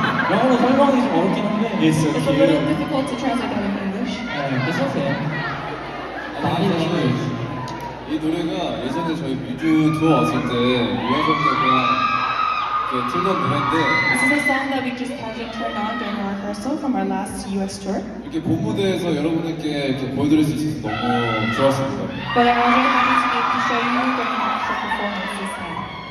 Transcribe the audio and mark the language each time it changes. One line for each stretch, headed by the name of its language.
Korean: 영어로 설명하기 좀 어렵긴 한데.
English: It's okay. It's a little difficult to translate in English. It's okay.
Korean: 많이 나오고 이 노래가 예전에 저희 뮤즈 투어 왔을 때 유현석 씨가
English: This is a song that we just started turning on during our rehearsal from our last US tour.
Korean: 이렇게 본 무대에서 여러분들께 이렇게 보여드릴 수 있어서 너무 좋았습니다.
English: But I was very happy to get to show you during our rehearsal performance this time.